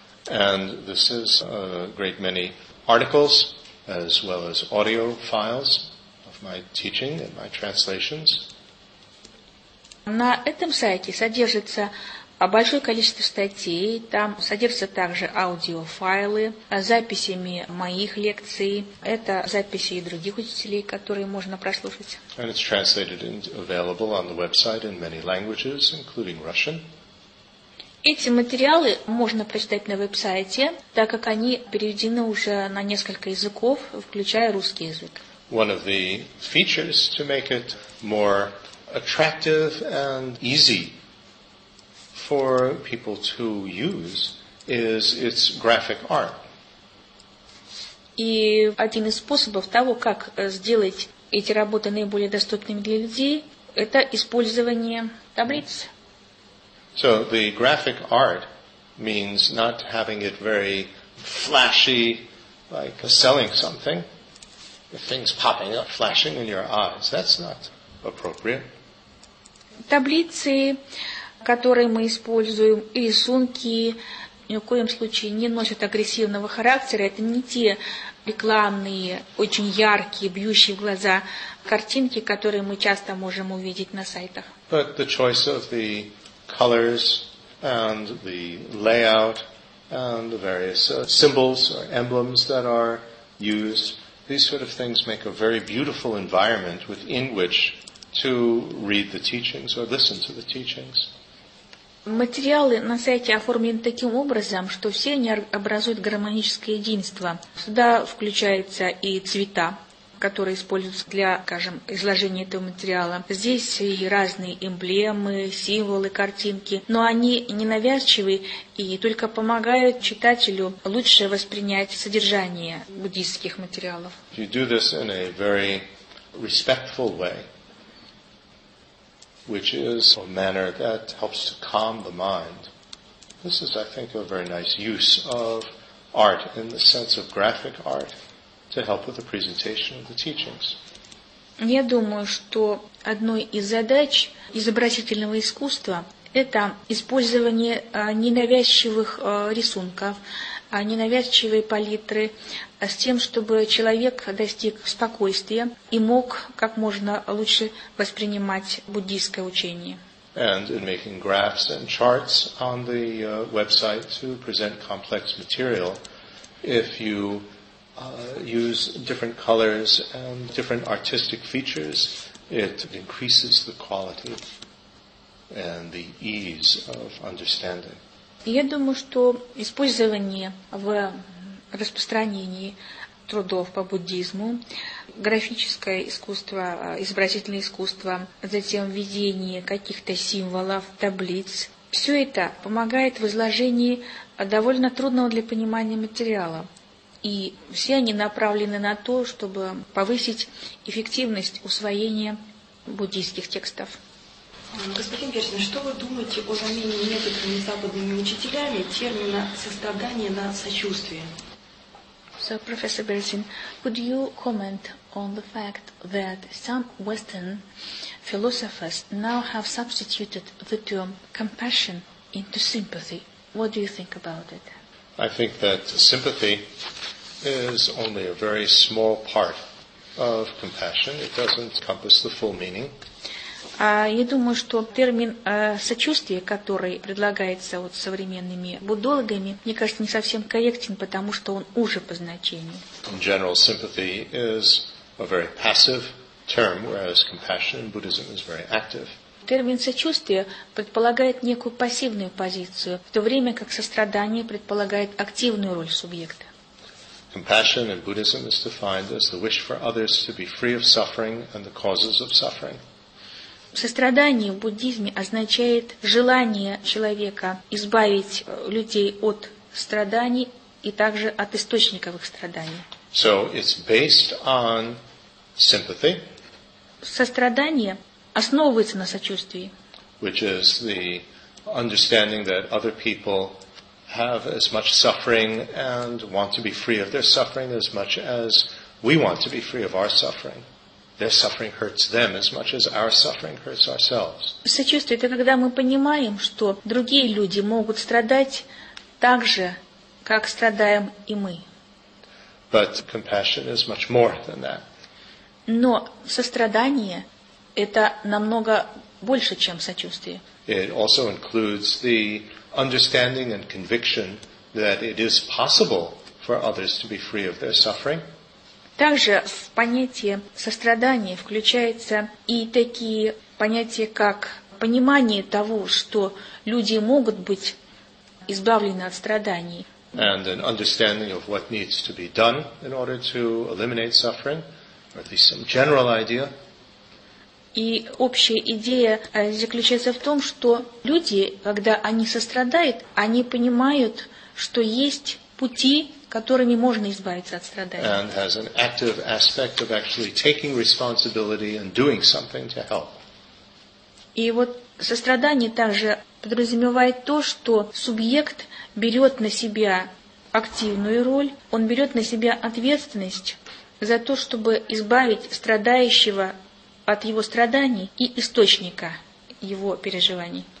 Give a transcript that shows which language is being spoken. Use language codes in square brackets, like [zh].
[en] And this is a great many articles, as well as audio files of my teaching and my translations. [ru] На этом сайте содержится большое количество статей, там содержатся также аудиофайлы с записями моих лекций. Это записи и других учителей, которые можно прослушать. [en] And it's translated and available on the website in many languages, including Russian. [ru] Эти материалы можно прочитать на веб-сайте, так как они переведены уже на несколько языков, включая русский язык. [en] One of the features to make it more attractive and easy for people to use is its graphic art. [ru] И один из способов того, как сделать эти работы наиболее доступными для людей, это использование таблиц. [en] So the graphic art means not having it very flashy, like selling something, things popping up, flashing in your eyes. That's not appropriate. [ru] Таблицы, которые мы используем, и рисунки ни в коем случае не носят агрессивного характера. Это не те рекламные, очень яркие, бьющие в глаза картинки, которые мы часто можем увидеть на сайтах. [en] But the choice of the colors and the layout and the various symbols or emblems that are used, these sort of things make a very beautiful environment within which to read the teachings or listen to the teachings. [ru] Материалы на сайте оформлены таким образом, что все они образуют гармоническое единство. Сюда включаются и цвета, которые используются для, скажем, изложения этого материала. Здесь и разные эмблемы, символы, картинки, но они ненавязчивы и только помогают читателю лучше воспринять содержание буддийских материалов. [en] You do this in a very respectful way, which is a manner that helps to calm the mind. This is, I think, a very nice use of art in the sense of graphic art to help with the presentation of the teachings. [ru] Я думаю, что одной из задач изобразительного искусства это использование ненавязчивых рисунков, ненавязчивой палитры, с тем, чтобы человек достиг спокойствия и мог как можно лучше воспринимать буддийское учение. [en] And in making graphs and charts on the website to present complex material, if you use different colors and different artistic features, it increases the quality and the ease of understanding. [ru] Я думаю, что использование в распространении трудов по буддизму, графическое искусство, изобразительное искусство, затем введение каких-то символов, таблиц, все это помогает в изложении довольно трудного для понимания материала. И все они направлены на то, чтобы повысить эффективность усвоения буддийских текстов. Господин Берзин, что вы думаете о замене некоторыми западными учителями термина «сострадание» на «сочувствие»? [en] So, Professor Berzin, could you comment on the fact that some Western philosophers now have substituted the term compassion into sympathy? What do you think about it? I think that sympathy is only a very small part of compassion. It doesn't encompass the full meaning. [ru] Я думаю, что термин «сочувствие», который предлагается вот современными буддологами, мне кажется, не совсем корректен, потому что он уже по значению. [en] In general, sympathy is a very passive term, whereas compassion in Buddhism is very active. [ru] Термин «сочувствие» предполагает некую пассивную позицию, в то время как сострадание предполагает активную роль субъекта. [en] Compassion in Buddhism is defined as the wish for others to be free of suffering and the causes of suffering. [ru] Сострадание в буддизме означает желание человека избавить людей от страданий и также от источников их страданий. [en] So it's based on sympathy. [ru] Сострадание основывается на сочувствии. [en] Which is the understanding that other people have as much suffering and want to be free of their suffering as much as we want to be free of our suffering. Their suffering hurts them as much as our suffering hurts ourselves. [ru] Сочувствие — это когда мы понимаем, что другие люди могут страдать так же, как страдаем и мы. [en] But compassion is much more than that. [ru] Но сострадание — это намного больше, чем сочувствие. [en] It also includes the understanding and conviction that it is possible for others to be free of their suffering. [ru] Также в понятие сострадания включаются и такие понятия, как понимание того, что люди могут быть избавлены от страданий. [en] And an understanding of what needs to be done in order to eliminate suffering, or at least some general idea. [ru] И общая идея заключается в том, что люди, когда они сострадают, они понимают, что есть пути, которыми можно избавиться от страданий. [en] And has an active aspect of actually taking responsibility and doing something to help. [ru] И вот сострадание также подразумевает то, что субъект берет на себя активную роль, он берет на себя ответственность за то, чтобы избавить страдающего от его страданий и источника его переживаний.